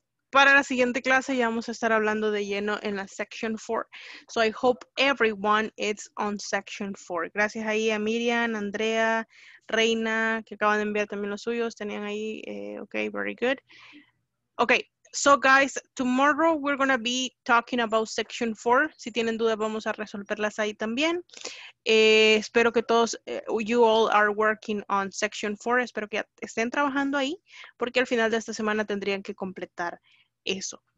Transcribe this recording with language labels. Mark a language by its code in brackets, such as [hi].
[es] Para la siguiente clase ya vamos a estar hablando de lleno en la section 4. [en] So I hope everyone is on section 4. [es] Gracias ahí a Miriam, Andrea, Reina, que acaban de enviar también los suyos. [en] Tenían ahí, okay, very good. Okay, so guys, tomorrow we're going to be talking about section 4. [es] Si tienen dudas, vamos a resolverlas ahí también. Espero que todos, [en] you all are working on section 4. [es] Espero que estén trabajando ahí, porque al final de esta semana tendrían que completar eso.